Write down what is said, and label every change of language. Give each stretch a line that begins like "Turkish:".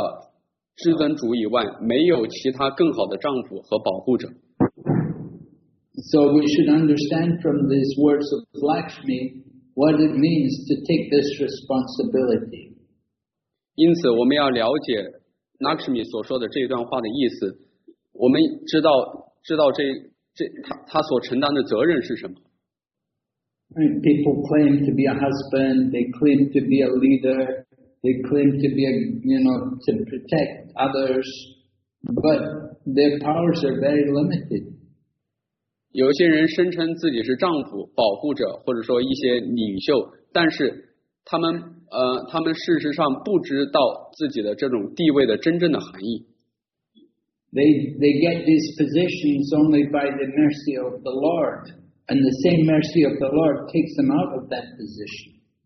Chinese: 他们会认为除了至尊主以外, 没有其他更好的丈夫和保护者。
English: So we should understand from these words of Lakshmi what it means to take this responsibility.
Chinese: 因此我们要了解 Lakshmi所说的这段话的意思, 我们知道这 他所承担的责任是什么?
English: People claim to be a husband, they claim to be a leader, they claim to be a, you know, to protect others, but their powers are very limited.
Chinese: 有些人声称自己是丈夫, 保护者, 或者说一些领袖, 但是他们, 他们事实上不知道自己的这种地位的真正的含义。
English: They get these positions only by the mercy of the Lord, and the same mercy of the Lord takes them out of that position.